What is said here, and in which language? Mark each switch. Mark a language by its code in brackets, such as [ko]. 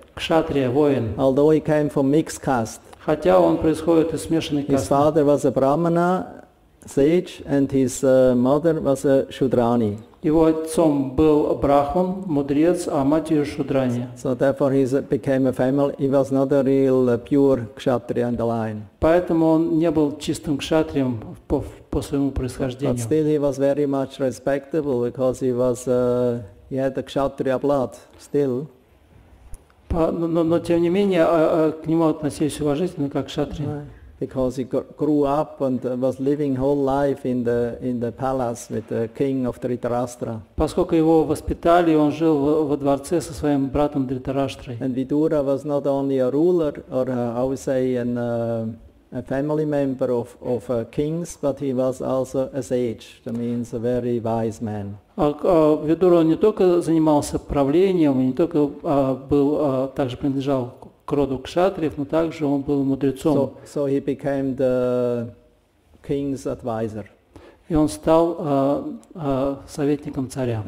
[ru] Кшатрия, воин. [en] Although he came from mixed caste. [ru] Хотя он происходит из смешанной касты. [en] His father was a brahmana. Sage and his mother was a Shudrani. [ru] Его отцом был Брахман, мудрец, а матерью Шудрани. [en] So therefore he became a family. He was not a real pure Kshatriya in the line. [ru] Поэтому он не был чистым кшатрием по своему происхождению. [en] But still he was very much respectable because he was he had the Kshatriya blood still. [ru] Но тем не менее к нему относились уважительно как к кшатрии. [en] because he grew up and was living whole life in the palace with the king of Dhritarashtra. [ru] Поскольку его воспитали, он жил во дворце со своим братом Дритараштрой. [en] And Vidura was not only a ruler or a family member of kings, but he was also a sage. That means a very wise man. [ru] Видура не только занимался правлением, не только был также принадлежал к роду кшатриев, но также он был мудрецом. [en] So he became the king's advisor. [ru] И он стал советником царя.